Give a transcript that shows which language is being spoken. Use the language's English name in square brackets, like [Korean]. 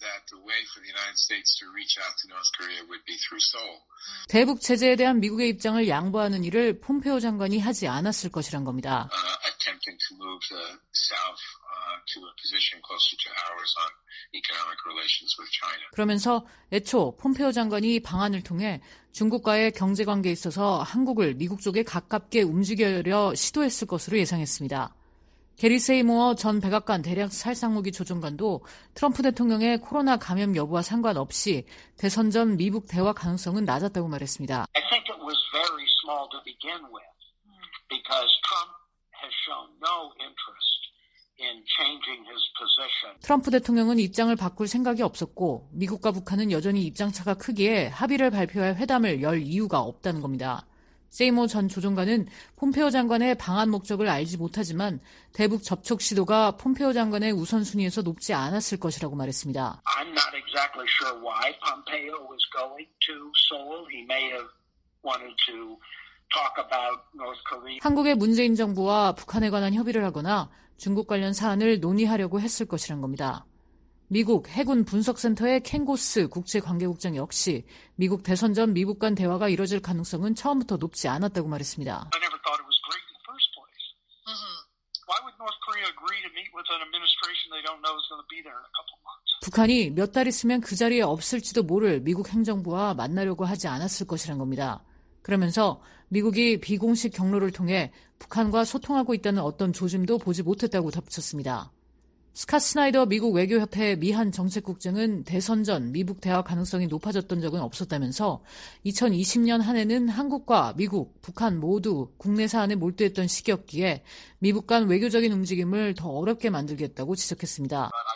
[English] the way for the United States to reach out to North Korea would be through Seoul. [Korean] 대북 제재에 대한 미국의 입장을 양보하는 일을 폼페오 장관이 하지 않았을 것이란 겁니다. [English] Attempting to move the south to a position closer to ours on economic relations with China. [Korean] 그러면서 애초 폼페오 장관이 방안을 통해 중국과의 경제 관계에 있어서 한국을 미국 쪽에 가깝게 움직이려 시도했을 것으로 예상했습니다. 게리 세이모어 전 백악관 대략 살상무기 조정관도 트럼프 대통령의 코로나 감염 여부와 상관없이 대선 전 미북 대화 가능성은 낮았다고 말했습니다. [English] I think it was very small to begin with because Trump has shown no interest in changing his position. [Korean] 트럼프 대통령은 입장을 바꿀 생각이 없었고 미국과 북한은 여전히 입장차가 크기에 합의를 발표할 회담을 열 이유가 없다는 겁니다. 세이모 전 조정관은 폼페오 장관의 방한 목적을 알지 못하지만 대북 접촉 시도가 폼페오 장관의 우선순위에서 높지 않았을 것이라고 말했습니다. [English] I'm not exactly sure why Pompeo was going to Seoul. He may have wanted to talk about North Korea. [Korean] 한국의 문재인 정부와 북한에 관한 협의를 하거나 중국 관련 사안을 논의하려고 했을 것이란 겁니다. 미국 해군 분석센터의 켄고스 국제관계국장 역시 미국 대선 전 미국 간 대화가 이뤄질 가능성은 처음부터 높지 않았다고 말했습니다. [English] I never thought it was great in the first place. Why would North Korea agree to meet with an administration they don't know is going to be there in a couple months? [Korean] 북한이 몇 달 있으면 그 자리에 없을지도 모를 미국 행정부와 만나려고 하지 않았을 것이란 겁니다. 그러면서 미국이 비공식 경로를 통해 북한과 소통하고 있다는 어떤 조짐도 보지 못했다고 덧붙였습니다. 스캇 스나이더 미국 외교협회 미한 정책국장은 대선 전 미북 대화 가능성이 높아졌던 적은 없었다면서 2020년 한 해는 한국과 미국, 북한 모두 국내 사안에 몰두했던 시기였기에 미북 간 외교적인 움직임을 더 어렵게 만들겠다고 지적했습니다.